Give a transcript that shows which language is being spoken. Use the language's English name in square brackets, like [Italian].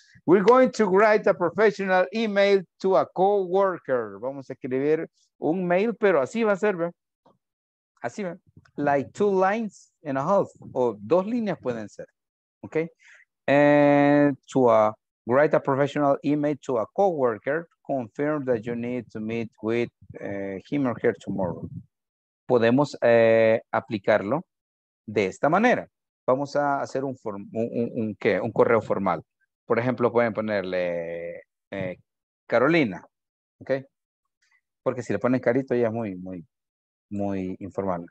[English] We're going to write a professional email to a coworker. [Spanish] Vamos a escribir un mail, pero así va a ser, ¿ve? Así va. Like two lines and a half, o dos líneas pueden ser. Okay. [English] And to write a professional email to a coworker, confirm that you need to meet with him or her tomorrow. [Spanish] Podemos aplicarlo. De esta manera, vamos a hacer un correo formal. Por ejemplo, pueden ponerle Carolina, ¿ok? Porque si le ponen Carito ya es muy, muy, muy informal.